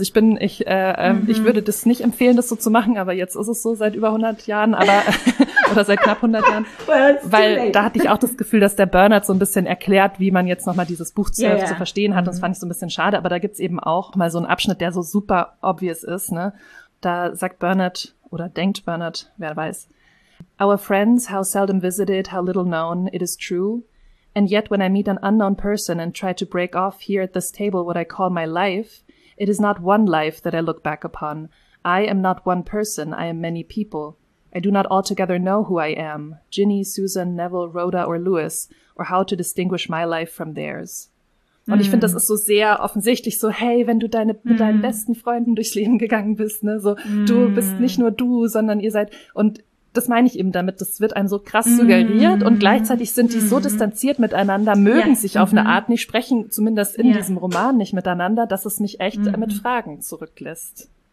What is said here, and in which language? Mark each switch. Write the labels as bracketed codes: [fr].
[de] Also ich würde das nicht empfehlen, das so zu machen, aber jetzt ist es so seit über 100 Jahren, aber oder seit knapp 100 Jahren, weil da hatte ich auch das Gefühl, dass der Bernard so ein bisschen erklärt, wie man jetzt nochmal dieses Buch zu verstehen hat. Und das fand ich so ein bisschen schade, aber da gibt's eben auch mal so einen Abschnitt, der so super obvious ist, ne? Da sagt Bernard oder denkt Bernard, wer weiß. [en] Our friends, how seldom visited, how little known, it is true. And yet when I meet an unknown person and try to break off here at this table what I call my life, it is not one life that I look back upon. I am not one person, I am many people. I do not altogether know who I am, Ginny, Susan, Neville, Rhoda or Lewis, or how to distinguish my life from theirs. [de] Und ich finde, das ist so sehr offensichtlich, so hey, wenn du deine mit deinen besten Freunden durchs Leben gegangen bist, ne, so du bist nicht nur du, sondern ihr seid, und das meine ich eben damit, das wird einem so krass suggeriert und gleichzeitig sind die so distanziert miteinander, mögen sich auf eine Art nicht, sprechen zumindest in diesem Roman nicht miteinander, dass es mich echt mit Fragen zurücklässt.